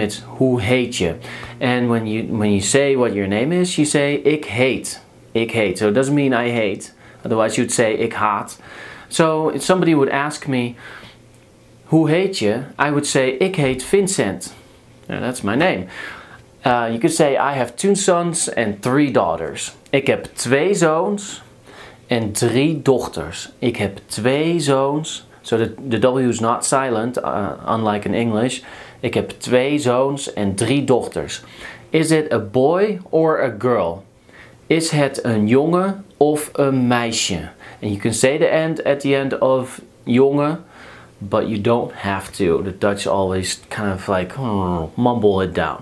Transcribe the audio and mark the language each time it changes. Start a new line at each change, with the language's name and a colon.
English: It's
Dutch: hoe heet je?
English: And when you say what your name is, you say
Dutch: ik heet. Ik heet.
English: So it doesn't mean I hate. Otherwise you'd say
Dutch: ik haat.
English: So if somebody would ask me
Dutch: hoe heet je,
English: I would say
Dutch: ik heet Vincent.
English: Now that's my name. You could say, I have 2 sons and 3 daughters.
Dutch: Ik heb 2 zoons en 3 dochters. Ik heb 2 zoons.
English: So the W is not silent, unlike in English.
Dutch: Ik heb 2 zoons en 3 dochters.
English: Is it a boy or a girl?
Dutch: Is het een jongen of een meisje?
English: And you can say the end at the end of jongen, but you don't have to. The Dutch always kind of like mumble it down.